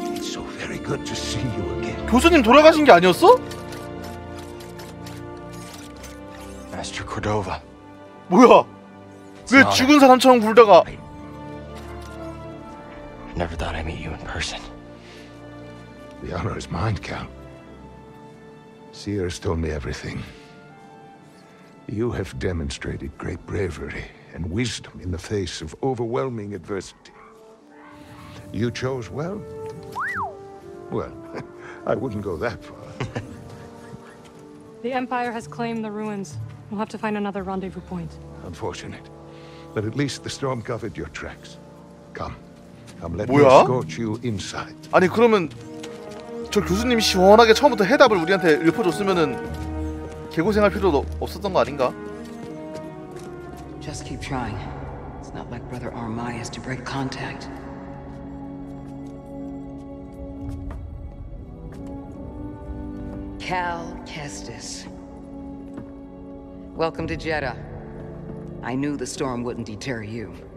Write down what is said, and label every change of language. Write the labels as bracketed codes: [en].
[en] It's so very good to see you again. [ko] 교수님 돌아가신 게 아니었어? [en] Master Cordova. [ko] 뭐야? 왜 죽은 사람처럼 굴다가? [en] I never thought I'd meet you in person. The honor is mine, Cal. Sears told me everything. You have demonstrated great bravery. And wisdom in the face of overwhelming adversity. You chose well? Well, I wouldn't go that far. The Empire has claimed the ruins. We'll have to find another rendezvous point. Unfortunate. But at least the storm covered your tracks. Come. Come, let [ko] 뭐야? [en] Me escort you inside. [ko] 아니, 그러면 저 교수님이 시원하게 처음부터 해답을 우리한테 읊어줬으면은 개고생할 필요도 없었던 거 아닌가? [en] Just keep trying. It's not like Brother Armai has to break contact. Cal Kestis. Welcome to Jeddah. I knew the storm wouldn't deter you.